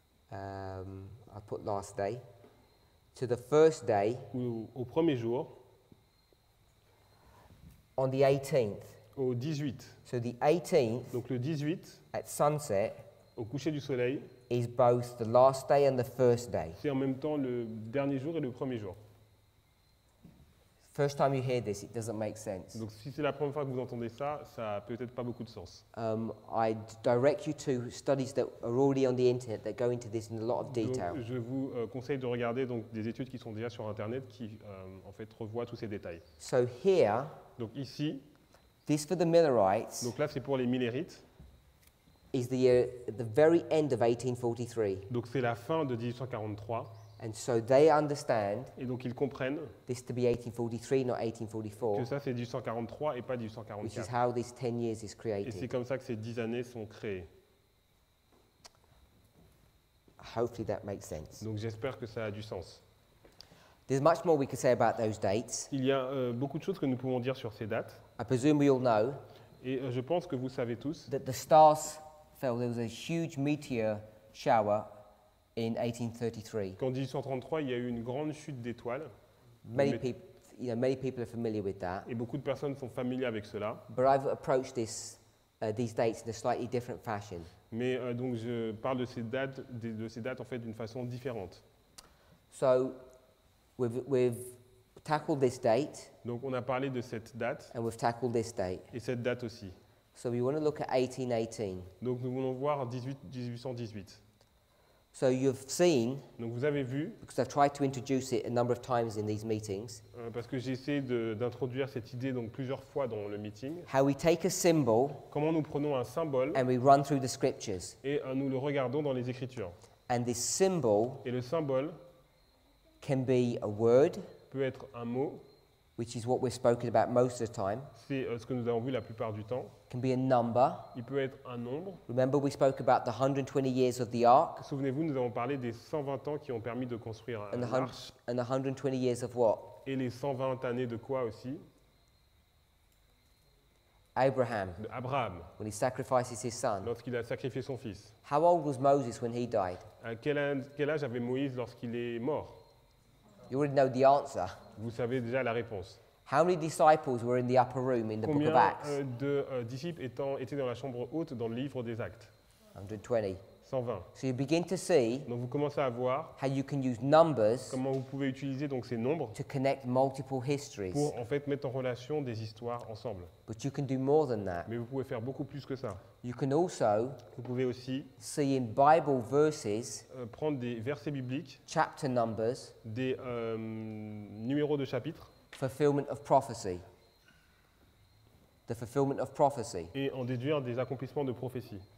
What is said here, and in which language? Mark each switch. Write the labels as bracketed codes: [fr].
[en] I put last day to the first day [fr] au premier jour [en] on the 18th [fr] au 18. [en] So the 18th [fr] donc le 18 [en] at sunset [fr] au coucher du soleil [en] is both the last day and the first day. [fr] C'est en même temps le dernier jour et le premier jour. [en] First time you hear this, it doesn't make sense. [fr] Donc si c'est la première fois que vous entendez ça, ça a peut-être pas beaucoup de sens. [en] I direct you to studies that are already on the internet that go into this in a lot of detail. [fr] Donc, je vous conseille de regarder donc des études qui sont déjà sur internet qui en fait revoient tous ces détails. [en] So here, [fr] donc ici, [en] this for the Millerites. [fr] Donc là c'est pour les Millerites. [en] Is the very end of 1843. [fr] Donc c'est la fin de 1843. [en] And so they understand. [fr] Et donc ils comprennent. [en] This to be 1843, not 1844. [fr] Que ça c'est 1843 et pas 1844. [en] Which is how these 10 years is created. [fr] Et c'est comme ça que ces 10 années sont créées. [en] Hopefully that makes sense. [fr] Donc j'espère que ça a du sens. [en] There's much more we could say about those dates. [fr] Il y a beaucoup de choses que nous pouvons dire sur ces dates. [en] I presume we all know. [fr] Et je pense que vous savez tous. [en] That the stars fell. There was a huge meteor shower. In 1833. [fr] Qu'en 1833, il y a eu une grande chute d'étoiles. [en] Many people are familiar with that. [fr] Et beaucoup de personnes sont familières avec cela. [en] But I've approached this, these dates in a slightly different fashion. [fr] Mais donc je parle de ces dates, de ces dates en fait d'une façon différente. [en] So, we've tackled this date. [fr] Donc on a parlé de cette date. [en] And we've tackled this date. [fr] Et cette date aussi. [en] So we want to look at 1818. [fr] Donc nous voulons voir 1818. [en] So you've seen, [fr] donc vous avez vu, [en] because I've tried to introduce it a number of times in these meetings, [fr] parce que j'ai essayé d'introduire cette idée donc plusieurs fois dans le meeting, [en] how we take a symbol, [fr] comment nous prenons un symbole, [en] and we run through the scriptures, [fr] et nous le regardons dans les écritures, [en] and this symbol, [fr] et le symbole, [en] can be a word, [fr] peut être un mot, [en] which is what we've spoken about most of the time. [fr] C'est ce que nous avons vu la plupart du temps. [en] Can be a number. [fr] Il peut être un nombre. [en] Remember we spoke about the 120 years of the ark. [fr] Souvenez-vous, nous avons parlé des 120 ans qui ont permis de construire l'arche. [en] And the 120 years of what? [fr] Et les 120 années de quoi aussi? [en] Abraham. [fr] De Abraham. [en] When he sacrifices his son. [fr] Lorsqu'il a sacrifié son fils. [en] How old was Moses when he died? [fr] Quel âge avait Moïse lorsqu'il est mort? [en] You already know the answer. [fr] Vous savez déjà la réponse. [en] How many disciples were in the upper room in the [fr] combien [en] book of Acts? [fr] De disciples étaient dans la chambre haute dans le livre des Actes? [en] 120. So you begin to see. [fr] Donc vous commencez à voir. [en] How you can use numbers. [fr] Comment vous pouvez utiliser donc ces nombres? [en] To connect multiple histories. [fr] Pour en fait mettre en relation des histoires ensemble. [en] But you can do more than that. [fr] Mais vous pouvez faire beaucoup plus que ça. [en] You can also. [fr] Vous pouvez aussi. [en] See in Bible verses. [fr] Prendre des versets bibliques. [en] Chapter numbers. [fr] Des numéros de chapitre. [en] Fulfillment of prophecy. The fulfillment of prophecy. [fr] Et en déduire des accomplissements de prophétie.